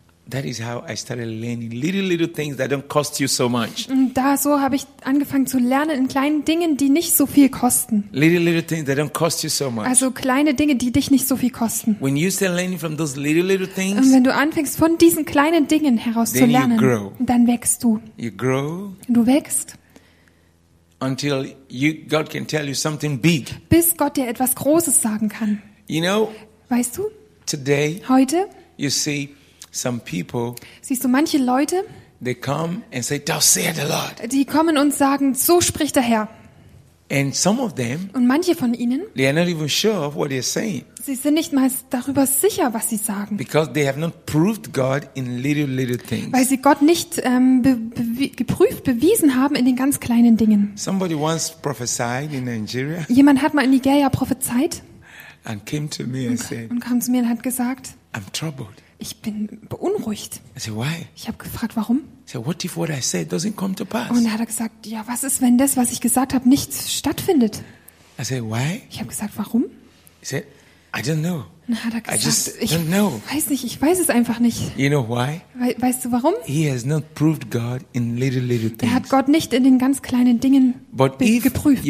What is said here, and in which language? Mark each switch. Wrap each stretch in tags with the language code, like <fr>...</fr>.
<en>That is how I started learning little things that don't cost you so much.</en> <de>Da so habe ich angefangen zu lernen in kleinen Dingen, die nicht so viel kosten.</de> <en>Little things that don't cost you so much.</en> <de>Also kleine Dinge, die dich nicht so viel kosten.</de> <en>When you start learning from those little things.</en> <de>Und wenn du anfängst von diesen kleinen Dingen heraus zu lernen, dann wächst du.</de> <en>You grow.</en> <de>Du wächst.</de> <en>Until God can tell you something big.</en> <de>Bis Gott dir etwas Großes sagen kann.</de> <en>You know?</en> <de>Weißt du?</de> <en>Today.</en> <de>Heute.</de> <en>You see. Some people,</en> <de>siehst du, manche Leute,</de> <en>they come and say, "Thus saith the Lord."</en> <de>Die kommen und sagen, so spricht der Herr.</de> <en>And some of them,</en> <de>und manche von ihnen,</de> <en>they are not even sure of what they're saying.</en> <de>Sie sind nicht mal darüber sicher, was sie sagen.</de> <en>Because they have not proved God in little things.</en> <de>Weil sie Gott nicht bewiesen haben in den ganz kleinen Dingen.</de> <en>Somebody once prophesied in Nigeria.</en> <de>Jemand hat mal in Nigeria prophezeit.</de> <en>And came to me and said.</en> <de>Und kam zu mir und hat gesagt,</de> <en>I'm troubled.</en> <de>Ich bin beunruhigt.</de> <en>I said, why?</en> <de>Ich habe gefragt, warum?</de> <en>I said, what if what I said doesn't come to pass?</en> <de>Und er hat gesagt, ja, was ist, wenn das, was ich gesagt habe, nicht stattfindet?</de> <en>I said, why?</en> <de>Ich habe gesagt, warum?</de> <en>He said, I don't know.</en> <de>Und er hat gesagt,</de> <en>I just</en> <de>ich</de> <en>don't know.</en> <de>Weiß nicht, ich weiß es einfach nicht.</de> <en>You know why?</en> <de>Weißt du, warum?</de> <en>He has not proved God in little things.</en> <de>Er hat Gott nicht in den ganz kleinen Dingen geprüft.</de>